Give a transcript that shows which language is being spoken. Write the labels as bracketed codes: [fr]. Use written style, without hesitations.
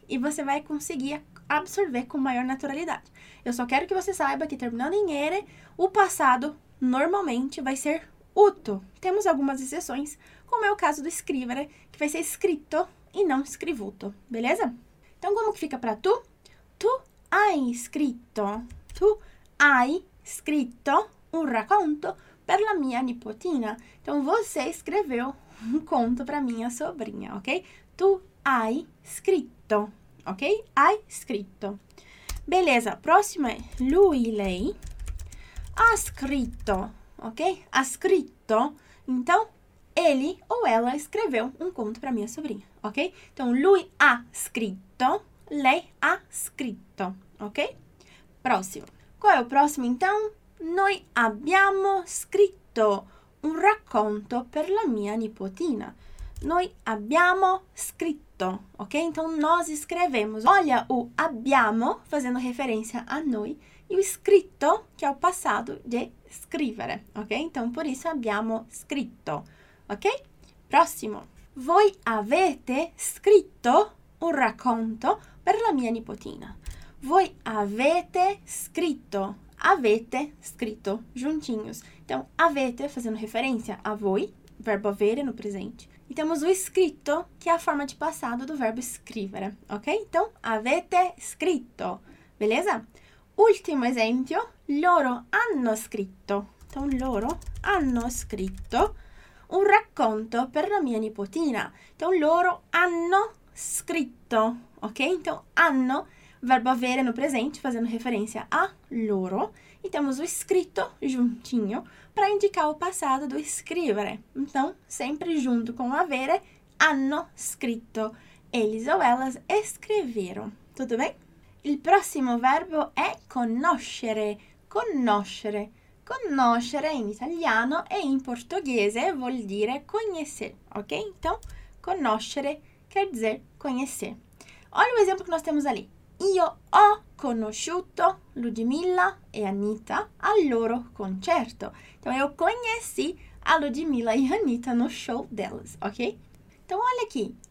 [pt] E você vai conseguir absorver com maior naturalidade. Eu só quero que você saiba que, terminando em ere, o passado normalmente vai ser uto. Temos algumas exceções, como é o caso do scrivere, que vai ser scritto e não scrivuto, beleza? Então, como que fica para tu? [it] Tu hai scritto. Tu hai scritto un racconto per la mia nipotina. [pt] Então você escreveu um conto para minha sobrinha, ok? [it] Tu hai scritto, ok? Hai scritto. [pt] Beleza, próximo é [it] lui, lei. Ha scritto, ok? Ha scritto. [pt] Então ele ou ela escreveu um conto para minha sobrinha, ok? [it] Então lui ha scritto, lei ha scritto, ok? Próximo. [pt] Qual é o próximo, então? [it] Noi abbiamo scritto un racconto per la mia nipotina. Noi abbiamo scritto, [pt] ok? Então, nós escrevemos. Olha o abbiamo, fazendo referência a noi, e o scritto, que é o passado de scrivere, ok? Então, por isso, [it] abbiamo scritto, [pt] ok? Próximo. [it] Voi avete scritto un racconto per la mia nipotina. Voi avete scritto. Avete scritto juntinhos. [pt] Então, avete, fazendo referência a voi, verbo avere no presente. E temos o scritto, que é a forma de passado do verbo scrivere. Ok? Então, [it] avete scritto. [pt] Beleza? [it] Ultimo esempio. Loro hanno scritto. Então, loro hanno scritto un racconto per la mia nipotina. Então, loro hanno scritto. [pt] Ok? Então, hanno. Verbo avere no presente, fazendo referência a loro. E temos o scritto juntinho para indicar o passado do scrivere. Então, sempre junto com avere, hanno scritto. Eles ou elas escreveram. Tudo bem? [it] Il prossimo verbo è conoscere. Conoscere. Conoscere in italiano e in portoghese vuol dire conhecer. [pt] Ok? Então, conoscere quer dizer conhecer. Olha o exemplo que nós temos ali. [it] Io ho conosciuto Ludmilla e Anita al loro concerto. [pt] Então, eu conheci a Ludmilla e a Anitta no show delas, ok? Então, olha aqui.